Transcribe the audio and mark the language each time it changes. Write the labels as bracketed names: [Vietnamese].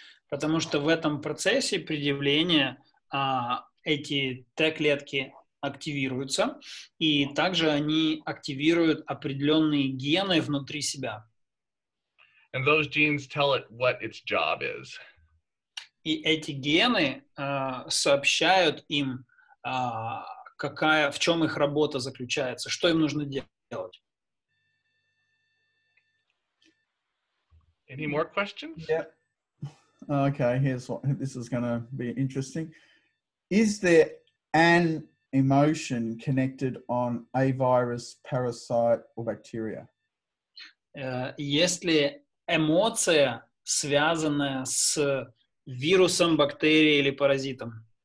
[Russian] Потому что в этом процессе предъявления эти Т-клетки активируются, и также они активируют определенные гены внутри себя. [English] And those genes tell it what its job is. [Russian] И эти гены сообщают им, какая, в чем их работа заключается, что им нужно делать. [English] Any more questions? Yeah. Okay, this is going to be interesting. Is there an emotion connected on a virus, parasite, or bacteria? [Russian] Есть ли эмоция, связанная с вирусом, бактерией или паразитом?